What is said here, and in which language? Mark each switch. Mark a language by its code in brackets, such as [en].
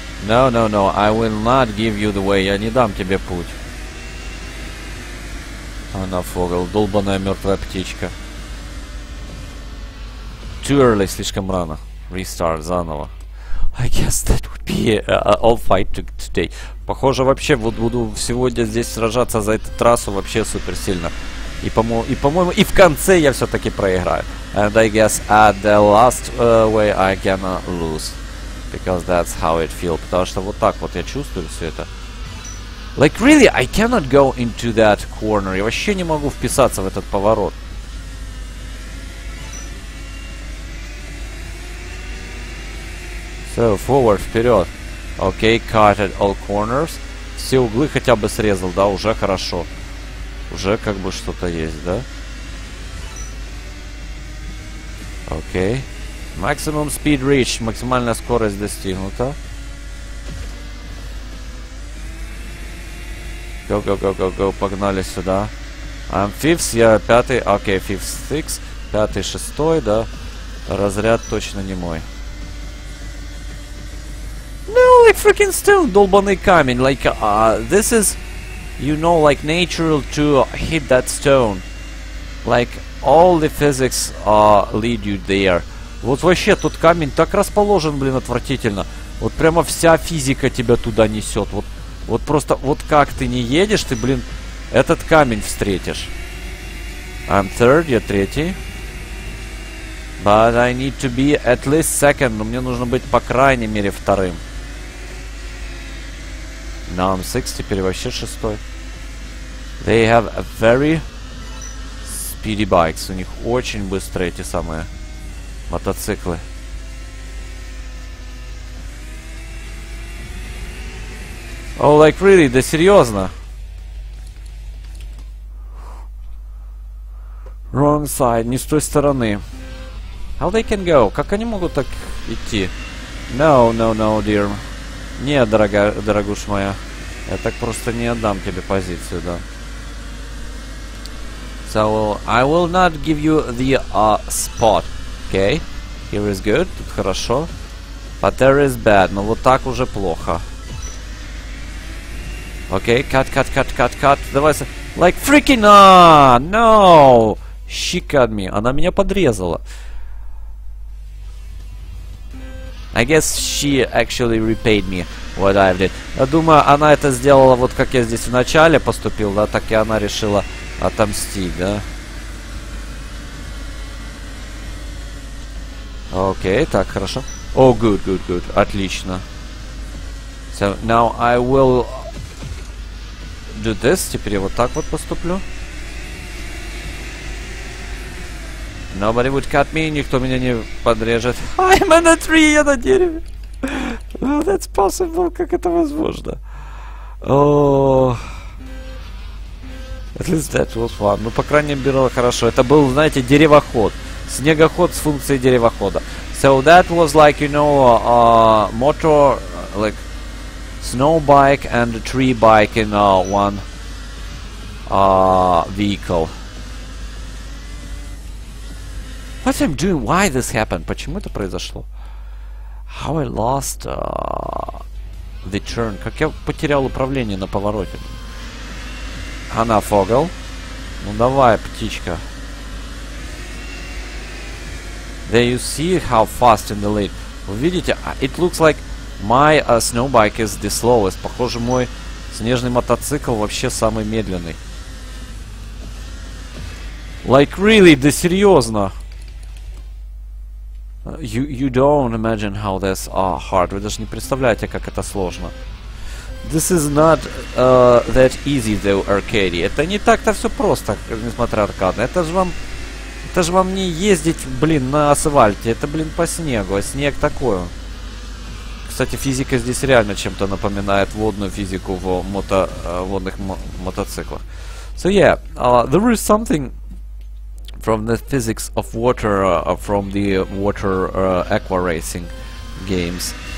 [en] No, no, no, I will not give you the way. [ru] Я не дам тебе путь. Она фогл, долбаная мертвая птичка. [en] Too early, [ru] слишком рано. [en] Restart, [ru] заново. [en] I guess that would be all fight today. [ru] Похоже, вообще вот буду сегодня здесь сражаться за эту трассу вообще супер сильно. И по-моему, и в конце я все-таки проиграю. [en] And I guess at the last way I gonna lose. Because that's how it feels. [ru] Потому что вот так вот я чувствую все это. [en] Like really, I cannot go into that corner. [ru] Я вообще не могу вписаться в этот поворот. [en] So, forward, [ru] вперед. [en] Okay, cut at all corners. [ru] Все углы хотя бы срезал, да, уже хорошо. Уже как бы что-то есть, да? [en] Окей. Okay. Maximum speed reached. [ru] Максимальная скорость достигнута. [en] Go, go, go, go, go. [ru] Погнали сюда. [en] I'm fifth, [ru] я пятый. Окей, [en] fifth, sixth. [ru] Пятый, шестой, да? Разряд точно не мой. [en] No, like freaking stone. [ru] Долбанный камень. [en] Like, this is... You know, like, natural to hit that stone. Like, all the physics lead you there. [ru] Вот вообще, тот камень так расположен, блин, отвратительно. Вот прямо вся физика тебя туда несет. Вот, вот просто, вот как ты не едешь, ты, блин, этот камень встретишь. [en] I'm third, [ru] я третий. [en] But I need to be at least second. [ru] Но мне нужно быть, по крайней мере, вторым. [en] Now I'm six, [ru] теперь вообще шестой. [en] They have a very speedy bikes. [ru] У них очень быстрые эти самые мотоциклы. [en] Oh, like really? [ru] Да серьезно? [en] Wrong side, [ru] не с той стороны. [en] How they can go? [ru] Как они могут так идти? [en] No, no, no, dear. [ru] Не, дорогая, дорогуша моя. Я так просто не отдам тебе позицию, да. [en] So, I will not give you the spot. Okay. Here is good. [ru] Тут хорошо. [en] But there is bad. [ru] Но вот так уже плохо. [en] Okay, cut, cut, cut, cut, cut. Давай, like freaking no! She cut me. [ru] Она меня подрезала. [en] I guess she actually repaid me what I did. [ru] Я думаю, она это сделала вот как я здесь в начале поступил, да, так и она решила отомстить, да. Окей, так, хорошо. [en] Oh, good, good, good, [ru] отлично. [en] So, now I will do this, [ru] теперь я вот так вот поступлю. [en] Nobody would cut me, [ru] никто меня не подрежет. [en] I'm on a tree, [ru] я на дереве. [en] Oh, that's possible. [ru] Как это возможно? [en] At least that was fun. [ru] Ну, по крайней мере, было хорошо. Это был, знаете, деревоход. Снегоход с функцией деревохода. [en] So that was like, you know, motor, like, snow bike and tree bike in one vehicle. What am I doing? Why this happened? [ru] Почему это произошло? [en] How I lost the turn. [ru] Как я потерял управление на повороте. Она фогл. Ну давай, птичка. [en] There you see how fast in the lead. [ru] Вы видите? [en] It looks like my snow bike is the slowest. [ru] Похоже, мой снежный мотоцикл вообще самый медленный. [en] Like really? [ru] Да серьезно? [en] You don't imagine how this hard. [ru] Вы даже не представляете, как это сложно. [en] This is not that easy, though, Arcady. [ru] Это не так-то все просто, несмотря на аркады. Это же вам не ездить, блин, на асфальте. Это, блин, по снегу. А снег такой. Кстати, физика здесь реально чем-то напоминает водную физику в водных мотоциклах. [en] So yeah, there is something from the physics of water, from the water aqua racing games.